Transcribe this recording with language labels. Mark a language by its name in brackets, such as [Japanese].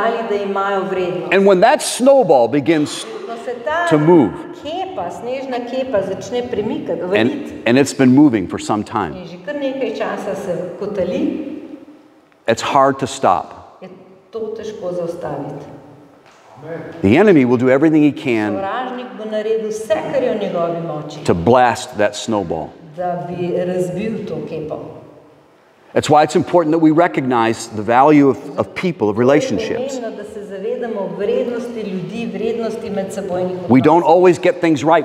[English] And when that snowball begins to move, and it's been moving for some time, it's hard to stop. [Slovenian] To težko zaustaviti. [English] The enemy will do everything he can. [Slovenian] Sovražnik bo naredil vse, kar je v njegovi moči. [English] To blast that snowball. [Slovenian] Da bi razbil to kepo. [English] That's why it's important that we recognize the value of people, of relationships. [Slovenian] Pomembno, da se zavedamo vrednosti ljudi, vrednosti medsebojnih odnosov. [English] We don't always get things right.